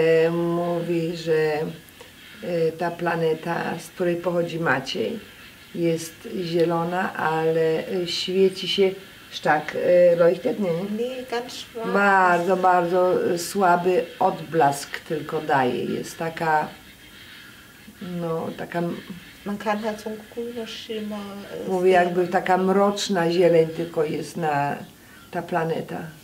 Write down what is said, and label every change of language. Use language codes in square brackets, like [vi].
[pl] Mówi, że ta planeta, z której pochodzi Maciej, jest zielona, ale świeci się tak leuchtet, nie? [de] Nee, ganz schwarz. [pl] Bardzo, bardzo słaby odblask tylko daje. Jest taka. No, taka. [de] Man kann halt so ein grüner Schimmer. [pl] Mówi, jakby taka mroczna zieleń tylko jest na ta planeta.